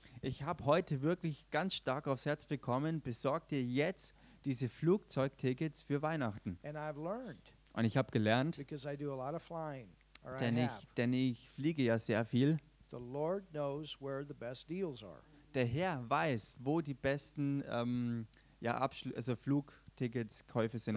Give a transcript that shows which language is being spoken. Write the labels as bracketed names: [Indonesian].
[German] Ich habe heute wirklich ganz stark aufs Herz bekommen, besorg dir jetzt diese Flugzeugtickets für Weihnachten. [English] And I've learned. [German] Und ich habe gelernt, [English] because I do a lot of flying, or [German] denn ich fliege ja sehr viel. [English] The Lord knows where the best deals are. [German] Der Herr weiß, wo die besten Flugtickets, Käufe sind,